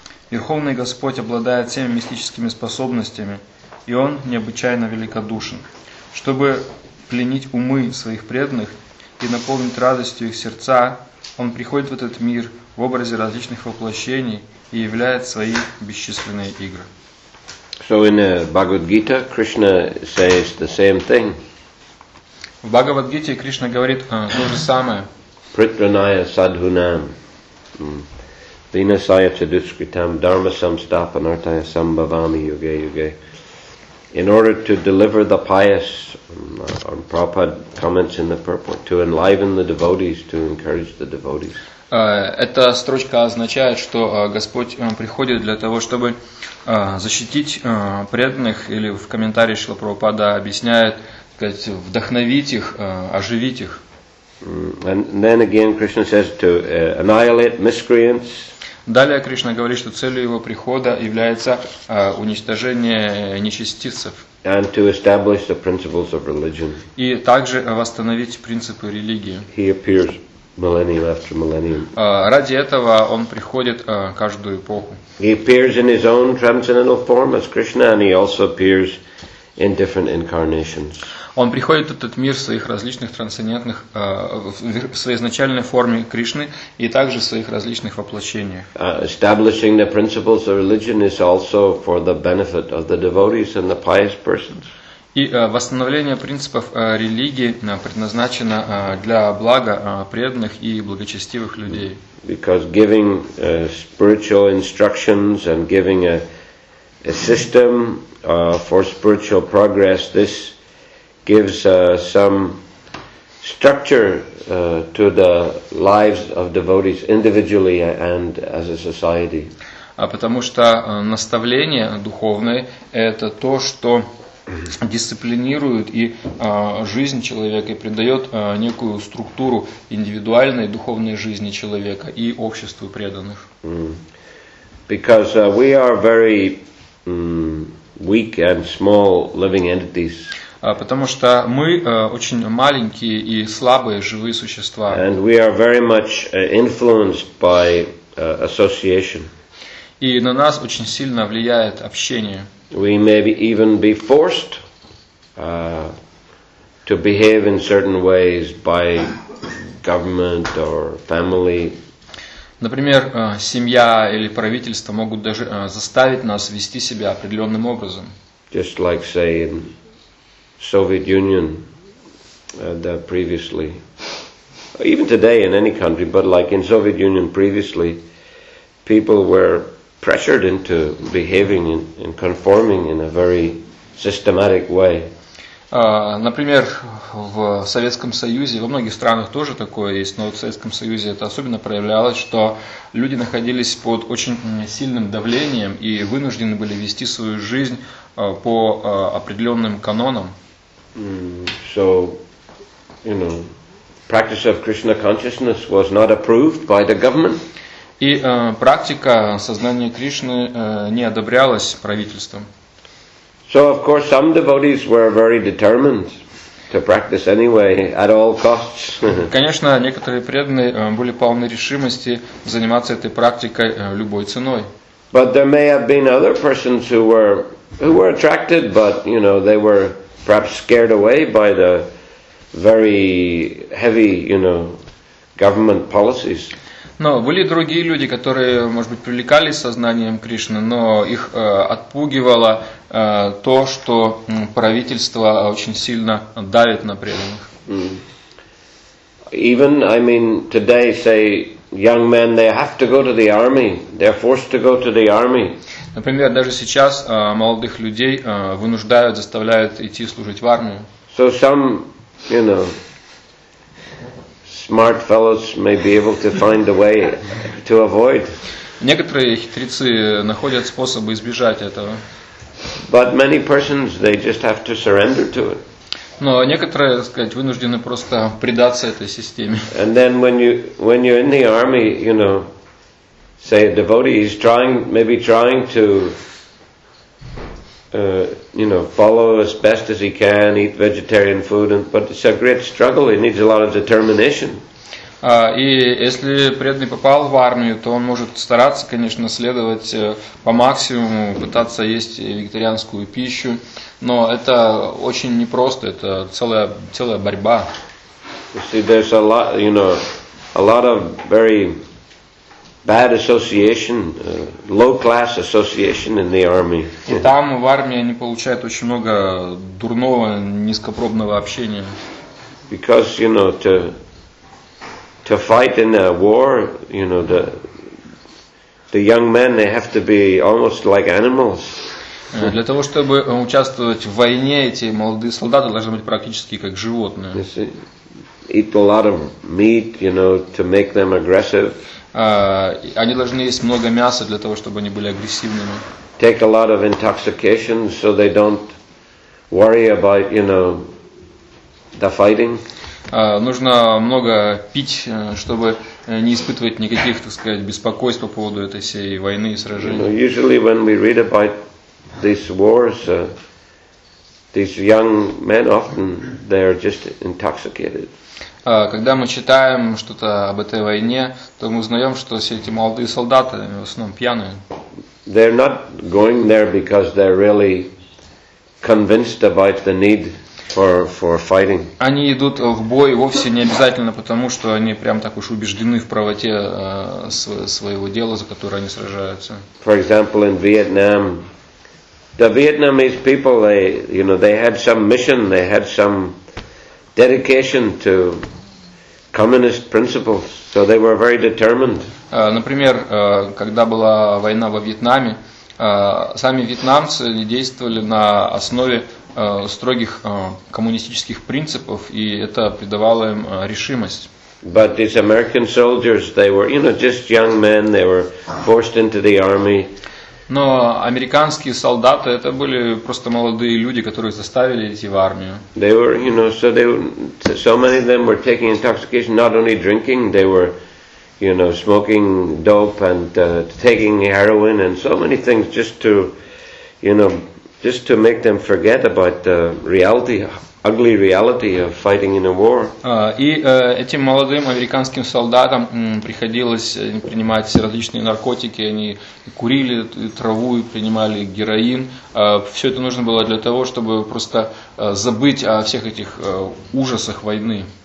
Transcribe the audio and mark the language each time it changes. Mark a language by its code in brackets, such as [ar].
[ru] Верховный Господь обладает всеми мистическими способностями, и Он необычайно великодушен. Чтобы пленить умы своих преданных и наполнить радостью их сердца, Он приходит в этот мир в образе различных воплощений и являет свои бесчисленные игры. [en] So in the Bhagavad Gita, Krishna says the same thing. [ru] В Бхагавад Гите Кришна говорит то же самое. [sa] Pritranaya sadhunam. Vinasaya chaduskritam dharmasam stapanartaya sambhavami yuge yuge. [en] In order to deliver the pious, or Prabhupada comments in the purport, to enliven the devotees, to encourage the devotees. [ru] Эта строчка означает, что Господь приходит для того, чтобы защитить преданных, или в комментарии Шрила Прабхупада объясняет, так сказать, вдохновить их, оживить их. [en] And then again Krishna says to annihilate miscreants. [ru] Далее Кришна говорит, что целью его прихода является уничтожение нечестивцев. [en] And to establish the principles of religion. [ru] И также восстановить принципы религии. [en] He appears millennium after millennium. [ru] Ради этого он приходит каждую эпоху. [en] He appears in his own transcendental form as Krishna, and he also appears in different incarnations. [ru] Он приходит в этот мир в своих различных трансцендентных, в своей изначальной форме Кришны и также в своих различных воплощениях. [en] Establishing the principles of religion is also for the benefit of the devotees and the pious persons. [ru] И восстановление принципов религии предназначено для блага преданных и благочестивых людей. [en] Because giving spiritual instructions and giving a system for spiritual progress, this gives some structure to the lives of devotees individually and as a society. [ru] А потому что наставление духовное – это то, что дисциплинирует и жизнь человека и придает некую структуру индивидуальной духовной жизни человека и обществу преданных. [en] Because we are very weak and small living entities. [ru] Потому что мы очень маленькие и слабые живые существа. [en] And we are very much influenced by association. [ru] И на нас очень сильно влияет общение. [en] We may be even be forced to behave in certain ways by government or family. [ru] Например, семья или правительство могут даже заставить нас вести себя определенным образом. [en] Just like say in Soviet Union that previously, even today in any country, but like in Soviet Union previously, people were pressured into behaving and conforming in a very systematic way. [ru] Например, в Советском Союзе, во многих странах тоже такое есть, но в Советском Союзе это особенно проявлялось, что люди находились под очень сильным давлением и вынуждены были вести свою жизнь по определенным канонам. [en] So, you know, practice of Krishna consciousness was not approved by the government. [ru] И практика сознания Кришны не одобрялась правительством. [en] So, of course, some devotees were very determined to practice anyway at all costs. [ru] Конечно, некоторые преданные были полны решимости заниматься этой практикой любой ценой. [en] But there may have been other persons who were attracted, but you know they were perhaps scared away by the very heavy, you know, government policies. [ru] Но были другие люди, которые, может быть, привлекались сознанием Кришны, но их отпугивало то, что правительство очень сильно давит на преданных. Mm. [en] Even, I mean, today, say, young men, they have to go to the army. They're forced to go to the army. [ru] Например, даже сейчас молодых людей вынуждают, заставляют идти служить в армию. [en] So some, you know, smart fellows may be able to find a way to avoid. [ru] Некоторые хитрецы находят способы избежать этого. [en] But many persons, they just have to surrender to it. [ru] Но некоторые, так сказать, вынуждены просто предаться этой системе. [en] And then when you're in the army, you know, say a devotee is trying to you know, follow as best as he can, eat vegetarian food, but it's a great struggle. He needs a lot of determination. [ru] И если преданный попал в армию, то он может стараться, конечно, следовать по максимуму, пытаться есть вегетарианскую пищу, но это очень непросто. Это целая борьба. [en] You see, there's a lot, you know, a lot of very bad association, low-class association in the army. [ru] И там в армии они получают очень много дурного, низкопробного общения. [en] Because, you know, to fight in a war, you know, the young men, they have to be almost like animals. [ru] Для того, чтобы участвовать в войне, эти молодые солдаты должны быть практически как животные. [en] You see, eat a lot of meat, you know, to make them aggressive. [ru] Они должны есть много мяса для того, чтобы они были агрессивными. [en] Take a lot of intoxication so they don't worry about, you know, the fighting. [ru] Нужно много пить, чтобы не испытывать никаких, так сказать, беспокойств по поводу этой всей войны и сражений. [en] You know, usually when we read about these wars, these young men often they are just intoxicated. [ru] Когда мы читаем что-то об этой войне, то мы узнаем, что все эти молодые солдаты в основном пьяные. [en] They're not going there because they're really convinced about the need for fighting. [ru] Они идут в бой вовсе не обязательно потому, что они прям так уж убеждены в правоте своего дела, за которое они сражаются. [en] For example, in Vietnam, the Vietnamese people, they had some mission, they had some dedication to communist principles, so they were very determined. [ru] Например, когда была война во Вьетнаме, сами вьетнамцы действовали на основе строгих коммунистических принципов, и это придавало им решимость. [en] But these American soldiers, they were, you know, just young men, they were forced into the army. [ru] Но американские солдаты это были просто молодые люди, которые заставили идти в армию. [en] They were, you know, so many of them were taking intoxication, not only drinking, they were, you know, smoking dope and taking heroin and so many things just to make them forget about the reality, ugly reality of fighting in a war. [ru] Этим молодым американским солдатам приходилось принимать различные наркотики, они курили траву и принимали героин. Все это нужно было для того, чтобы просто забыть о всех этих ужасах войны.